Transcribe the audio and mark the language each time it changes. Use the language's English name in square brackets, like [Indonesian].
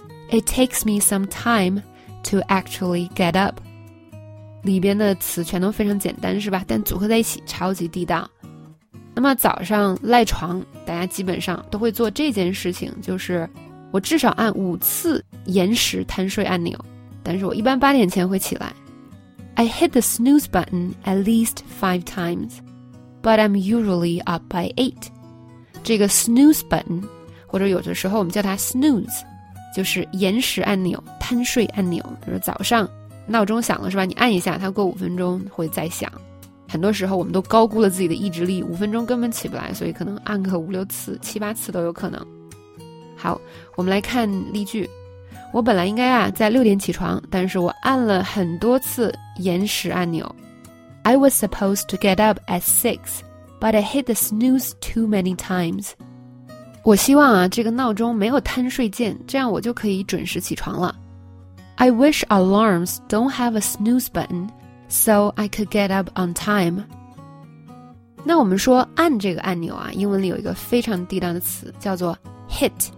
[English] It takes me some time to actually get up， [Chinese] 里边的词全都非常简单是吧，但组合在一起超级地道。那么早上赖床大家基本上都会做这件事情，就是我至少按五次延时贪睡按钮，但是我一般八点前会起来。 [English] I hit the snooze button at least 5 times, but I'm usually up by 8. [Chinese] 这个 snooze button, 或者有的时候我们叫它 snooze, 就是延时按钮、贪睡按钮，就是早上闹钟响了是吧，你按一下它过五分钟会再响。很多时候我们都高估了自己的意志力，五分钟根本起不来，所以可能按个五六次、七八次都有可能。好，我们来看例句。我本来应该啊在6点起床，但是我按了很多次延时按钮。 [English] I was supposed to get up at 6, but I hit the snooze too many times. [Chinese] 我希望啊这个闹钟没有贪睡键，这样我就可以准时起床了。 [English] I wish alarms don't have a snooze button, so I could get up on time. [Chinese] 那我们说按这个按钮啊，英文里有一个非常地道的词叫做 hit.